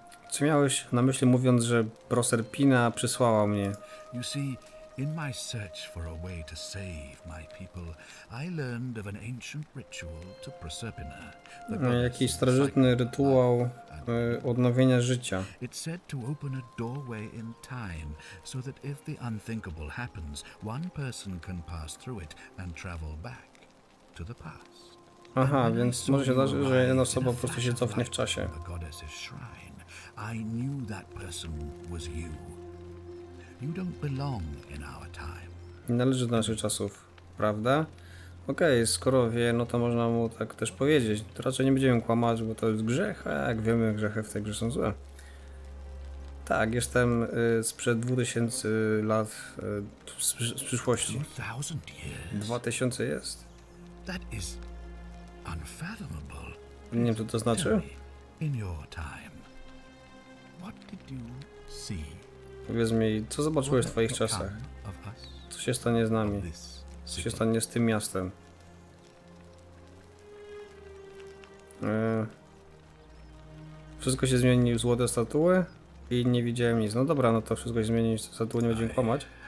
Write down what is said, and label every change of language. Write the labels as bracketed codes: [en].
[pl] Co miałeś na myśli mówiąc, że Proserpina przysłała mnie? [en] In my search for a way to save my people, I learned of an ancient ritual to Proserpina. [pl] Jakiś starożytny rytuał odnowienia życia. [en] It said to open a doorway in time, so that if the unthinkable happens, one person can pass through it and travel back to the past. [pl] Aha, więc może się zdarzyć, że jedna osoba po prostu się cofnie w czasie. [en] The goddess's shrine. I knew that person was you. You don't belong in our time. [pl] Nie należy do naszych czasów, prawda? Okej, okay, skoro wie, no to można mu tak też powiedzieć. To raczej nie będziemy kłamać, bo to jest grzech, a jak wiemy, grzechy w tej grze są złe. Tak, jestem sprzed 2000 lat z przyszłości. 2000 jest? [en] That is unfathomable. [pl] Nie wiem, co to znaczy. [en] In your time, what did you see? [pl] Powiedz mi, co zobaczyłeś w twoich czasach? Co się stanie z nami? Co się stanie z tym miastem? Wszystko się zmieni w złote statuły i nie widziałem nic. No dobra, no to wszystko się zmieni w statuły, nie będziemy kłamać.